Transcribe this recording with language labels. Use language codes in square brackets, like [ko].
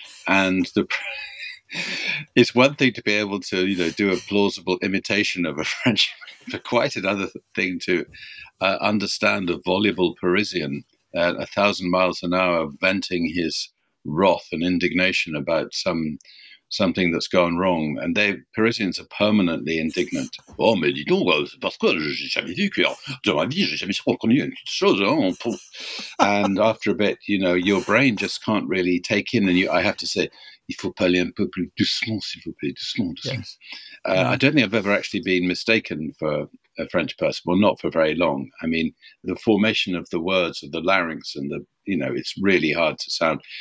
[en] And it's one thing to be able to, you know, do a plausible imitation of a Frenchman, but quite another thing to understand a voluble Parisian at 1,000 miles an hour, venting his wrath and indignation about something that's gone wrong. And Parisians are permanently indignant. [fr] Oh, mais dis donc, c'est parce que j'ai jamais vu que dans ma vie, j'ai jamais reconnu une petite chose. [en] And after a bit, you know, your brain just can't really take in. And I have to say, [fr] il faut parler un peu plus doucement, s'il vous plaît, doucement, doucement. [en] Yes. I don't think I've ever actually been mistaken for a French person, well, not for very long. I mean, the formation of the words of the larynx and the, you know, it's really hard to sound.